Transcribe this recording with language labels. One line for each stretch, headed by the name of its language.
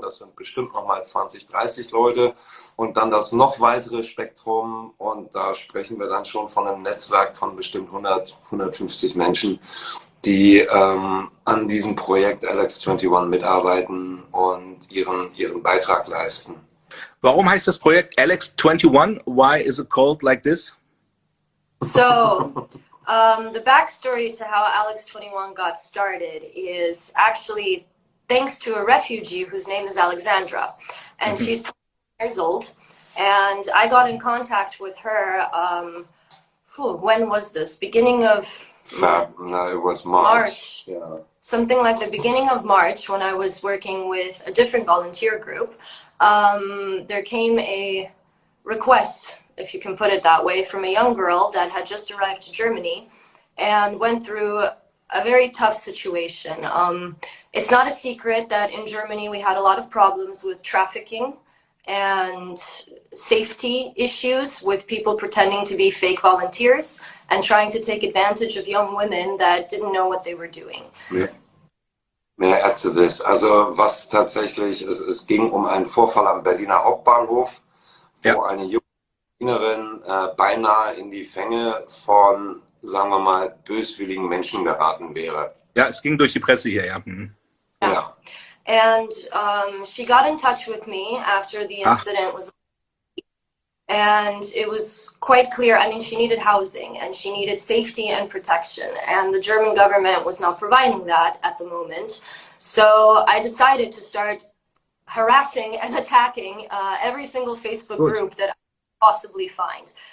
German: Das sind bestimmt nochmal 20, 30 Leute. Und dann das noch weitere Spektrum. Und da sprechen wir dann schon von einem Netzwerk von bestimmt 100, 150 Menschen, die an diesem Projekt Alex 21 mitarbeiten und ihren Beitrag leisten. Warum heißt das Projekt Alex 21?
English: Why is it called like this? So, the backstory to how Alex 21 got started is actually thanks to a refugee whose name is Alexandra, and she's 20 years old, and I got in contact with her, when was this? Beginning of Fab, no, it was March. Yeah. Something like the beginning of March, when I was working with a different volunteer group, there came a request, if you can put it that way, from a young girl that had just arrived to Germany and went through a very tough situation. It's not a secret that in Germany we had a lot of problems with trafficking and safety issues with people pretending to be fake volunteers and trying to take advantage of young women that didn't know what they were doing. May I add to this?
German: Also, was tatsächlich, es ging um einen Vorfall am Berliner Hauptbahnhof, wo eine Innerin beinahe in die Fänge von, sagen wir mal, böswilligen Menschen geraten wäre. Ja, es ging durch die Presse hier, ja. Ja.
English: And she got in touch with me after the incident was And it was quite clear, I mean, she needed housing and she needed safety and protection. And the German government was not providing that at the moment. So I decided to start harassing and attacking every single Facebook group that I could possibly find.